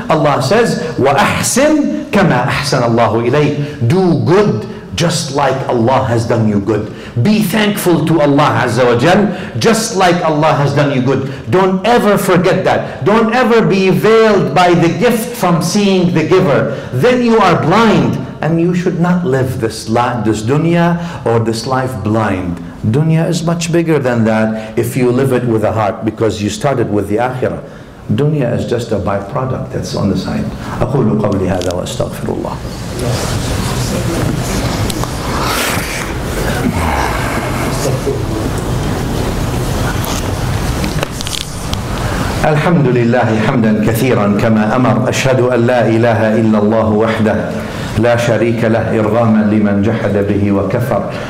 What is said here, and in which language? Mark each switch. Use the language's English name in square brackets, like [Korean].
[English] Allah says, [Arabic] وَأَحْسِنْ كَمَا أَحْسَنَ اللَّهُ إِلَيْكَ. [English] Do good just like Allah has done you good. Be thankful to Allah Azza wa Jal, just like Allah has done you good. Don't ever forget that. Don't ever be veiled by the gift from seeing the giver. Then you are blind. And you should not live this dunya or this life blind. Dunya is much bigger than that if you live it with a heart, because you started with the akhirah. Dunya is just a byproduct that's on the side. [Arabic] أَقُولُ قَوْلِ هَذَا وَأَسْتَغْفِرُ اللَّهِ الحمد لله حمدا كثيرا كما أمر. أشهد أن لا إله إلا الله وحده لا شريك له إرغاما لمن جحد به وكفر.